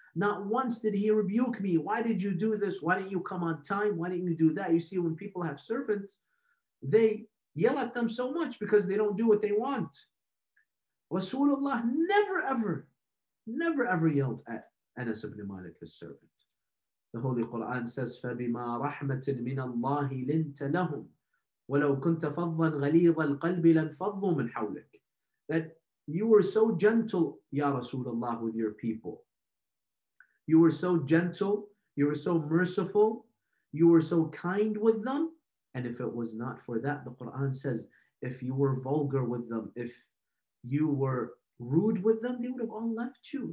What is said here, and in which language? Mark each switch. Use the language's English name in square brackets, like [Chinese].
[English] Not once did he rebuke me. Why did you do this? Why didn't you come on time? Why didn't you do that? You see, when people have servants, they yell at them so much because they don't do what they want. Rasulullah never ever, never ever yelled at Anas ibn Malik, his servant. The Holy Quran says, [Arabic] فَبِمَا رَحْمَةٍ مِنَ اللَّهِ لِنْتَ لَهُمْ وَلَوْ كُنْتَ فَضًّا غَلِيظَ الْقَلْبِ لَنْفَضُّوا مِنْ حَوْلِكَ. [English] That you were so gentle, Ya Rasulullah, with your people. You were so gentle, you were so merciful, you were so kind with them. And if it was not for that, the Quran says, if you were vulgar with them, if you were rude with them, they would have all left you.